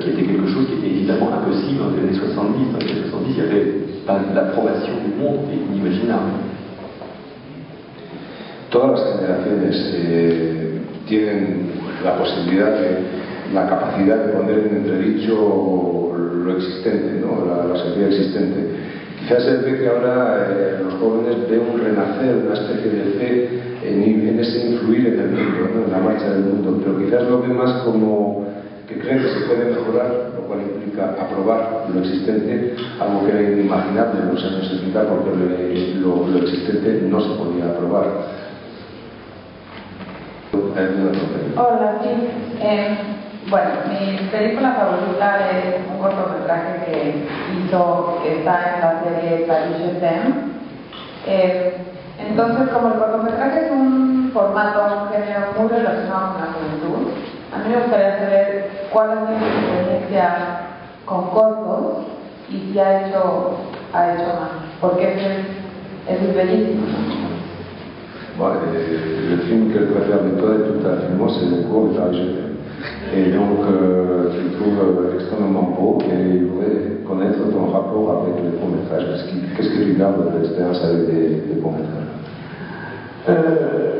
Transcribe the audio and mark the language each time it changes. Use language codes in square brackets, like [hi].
[fr] Qui était quelque chose qui était évidemment impossible dans les années 70. Dans les années 70, il y avait l'approbation du monde qui est inimaginable. Toutes les générations ont la possibilité, la capacité de mettre en [es] entredicho lo existente, ¿no? la sociedad existente. Quizás se ve que ahora los jóvenes ven un renacer, una especie de fe en ese influir en el mundo, ¿no? En la marcha del mundo, pero quizás lo ven más como que creen que se puede mejorar, lo cual implica aprobar lo existente, algo que era inimaginable en los años 70, porque lo existente no se podía aprobar. Hola, sí. Bueno, mi película favorita es un cortometraje que hizo, que está en la serie Clarice Zen. Entonces, como el cortometraje es un formato, un género muy relacionado con la juventud, a mí me gustaría saber cuál es mi experiencia con cortos y si ha hecho más, porque es bellísimo. [fr] Bon, le film qu'elle préfère de toi et de toute ta filmo, c'est le cours de Clarice Zen. Et donc, tu le trouves extrêmement beau et il voudrait connaître ton rapport avec les courts-métrages. Qu'est-ce que tu gardes de l'expérience avec les courts-métrages?